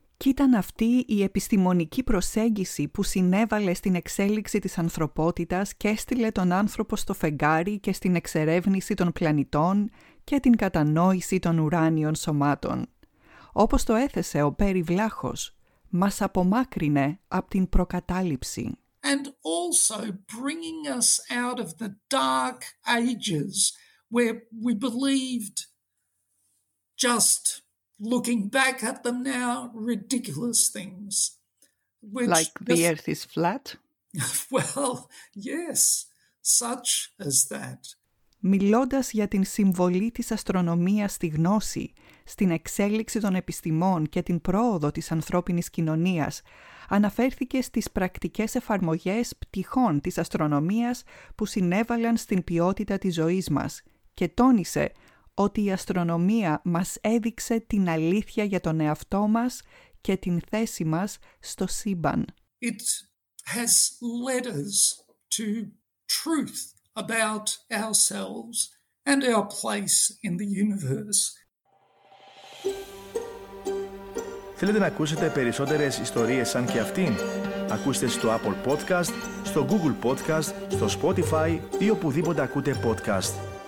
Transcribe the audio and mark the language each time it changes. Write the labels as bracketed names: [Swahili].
[Greek] Κι ήταν αυτή η επιστημονική προσέγγιση που συνέβαλε στην εξέλιξη της ανθρωπότητας και έστειλε τον άνθρωπο στο φεγγάρι και στην εξερεύνηση των πλανητών και την κατανόηση των ουράνιων σωμάτων. Όπως το έθεσε ο Πέρι Βλάχος, μας απομάκρυνε από την προκατάληψη. [English] And also bringing us out of the dark ages where we believed, just looking back at them now, ridiculous things. Which like the earth is flat? Well, yes, such as that. [Greek] Μιλώντας για την συμβολή της αστρονομίας στη γνώση, στην εξέλιξη των επιστημών και την πρόοδο της ανθρώπινης κοινωνίας, αναφέρθηκε στις πρακτικές εφαρμογές πτυχών της αστρονομίας που συνέβαλαν στην ποιότητα της ζωής μας και τόνισε ότι η αστρονομία μας έδειξε την αλήθεια για τον εαυτό μας και την θέση μας στο σύμπαν. [English] It has led us to truth about ourselves and our place in the universe. [Greek] Θέλετε να ακούσετε περισσότερες ιστορίες σαν και αυτήν? Ακούστε στο Apple Podcast, στο Google Podcast, στο Spotify ή οπουδήποτε ακούτε podcast.